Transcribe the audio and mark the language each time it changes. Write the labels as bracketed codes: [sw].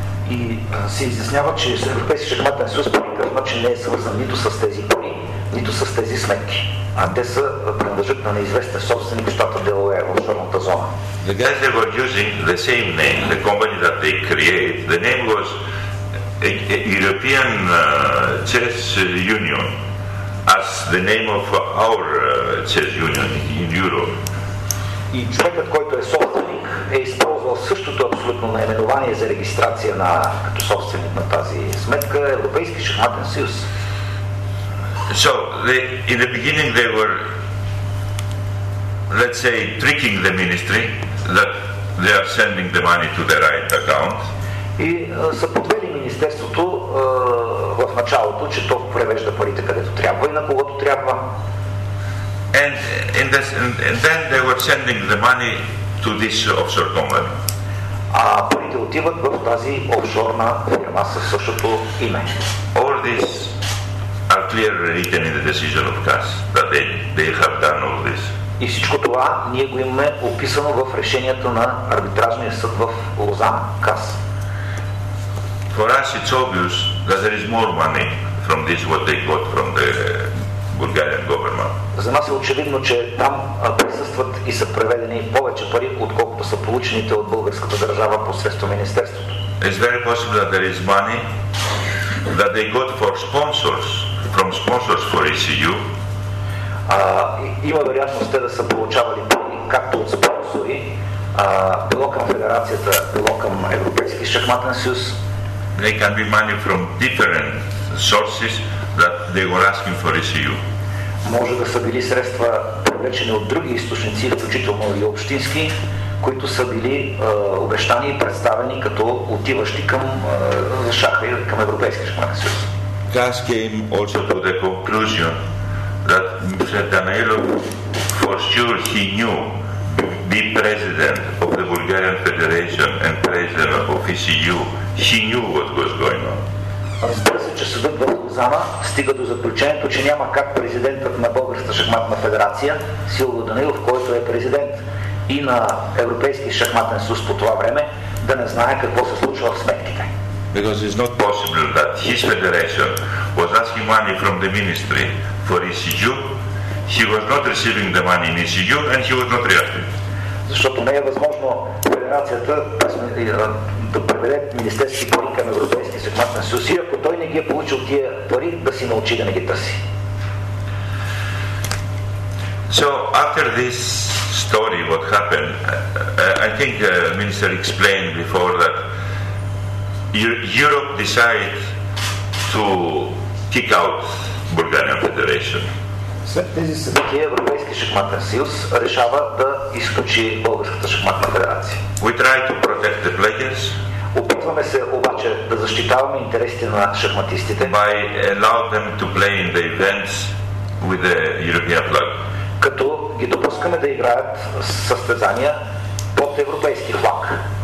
[bg] И се изяснява, че Европейски шахматен съюз по никакъв начин не е свързан нито с тези пари, нито с тези сметки. А те са принадлежат на неизвестен собственик в щата Делавер, в офшорната зона. [en] The guys they were using the same name, the company that they create, the name was European Chess Union, as the name of our chess union in Europe. [bg] И човекът, който е собственик, е използвал същото абсолютно наименование за регистрация на като собственик на тази сметка, Европейски шахматен съюз. [en] So, in the beginning they were, let's say, tricking the ministry that they are sending the money to the right account. [bg] И са подвели министерството в началото, че то превежда парите където трябва и на когото трябва. [en] And then they were sending the money to this offshore company. [bg] А парите отиват в тази офшорна фирма със същото име. [en] All this are clearly written in the decision of CAS, that they have done all this. [bg] И всичко това ние го имаме описано в решението на арбитражния съд в Лозан, КАС. [en] For us it's obvious that there is more money from this what they got from the Bulgarian government. [bg] За нас е очевидно, че там присъстват и са преведени повече пари, отколкото са получените от българската държава посредством министерството. [en] It's very possible that there is money that they got for sponsors, from sponsors for ECU. [bg] Има вероятност те да са получавали пари както от спонсори, било към федерацията, било към Европейския шахматен съюз. [en] They can be money from different sources that they were asking for ECU. [bg] Може да са били средства привлечени от други източници, включително и общински, които са били обещани и представени като отиващи към шаха и към Европейския шахматен съюз. [en] КАС came also to the conclusion that Mr. Danailov, for sure he knew, the president of the Bulgarian Federation and president of ECU, he knew what was going on. [bg] Разбира се, че съдът в Лозана стига до заключението, че няма как президентът на Българската шахматна федерация, Силвио Данаилов, който е президент и на Европейския шахматен съюз по това време, да не знае какво се случва в сметките. [en] Because it's not possible that his federation was asking money from the ministry for ECU, he was not receiving the money in ECU and he was not reacting. [bg] Защото не е възможно федерацията да преведе министерски пари към Европейския шахматен съюз, ако той не ги е получил тия пари, да си научи да не ги търси. [en] So after this story, what happened, I think the minister explained before that Europe decided to kick out Bulgarian Federation. [bg] След тези събития Европейския шахматен съюз решава да изключи Българската шахматна федерация. [en] We try to protect the players. [bg] Опитваме се обаче да защитаваме интересите на шахматистите. [en] By allowing them to play in the events with the European flag. [bg] Като ги допускаме да играят състезания под европейски флаг.